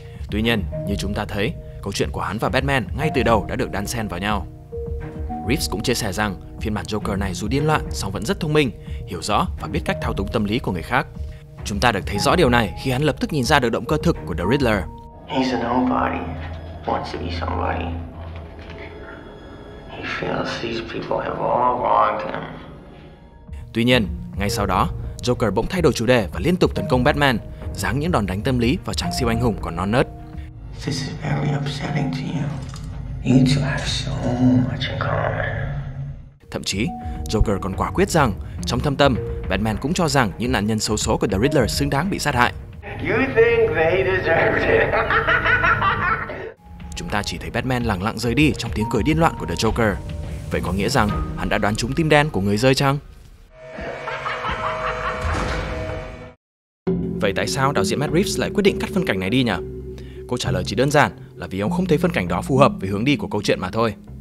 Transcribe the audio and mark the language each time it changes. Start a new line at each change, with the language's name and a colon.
Vietnamese: Tuy nhiên, như chúng ta thấy, câu chuyện của hắn và Batman ngay từ đầu đã được đan xen vào nhau. Reeves cũng chia sẻ rằng phiên bản Joker này dù điên loạn song vẫn rất thông minh, hiểu rõ và biết cách thao túng tâm lý của người khác. Chúng ta được thấy rõ điều này khi hắn lập tức nhìn ra được động cơ thực của The Riddler.
English: He's a nobody, wants to be somebody. He feels these people have all wronged him.
Vietnamese: Tuy nhiên, ngay sau đó, Joker bỗng thay đổi chủ đề và liên tục tấn công Batman, giáng những đòn đánh tâm lý vào chàng siêu anh hùng còn non nớt.
English: This is very upsetting to you. You two have so much in common.
Vietnamese: Thậm chí, Joker còn quả quyết rằng, trong thâm tâm, Batman cũng cho rằng những nạn nhân xấu số của The Riddler xứng đáng bị sát hại.
English: You think they deserved it.
Vietnamese: Chúng ta chỉ thấy Batman lẳng lặng rời đi trong tiếng cười điên loạn của The Joker. Vậy có nghĩa rằng hắn đã đoán trúng tim đen của người rơi chăng? Vậy tại sao đạo diễn Matt Reeves lại quyết định cắt phân cảnh này đi nhỉ? Câu trả lời chỉ đơn giản là vì ông không thấy phân cảnh đó phù hợp với hướng đi của câu chuyện mà thôi.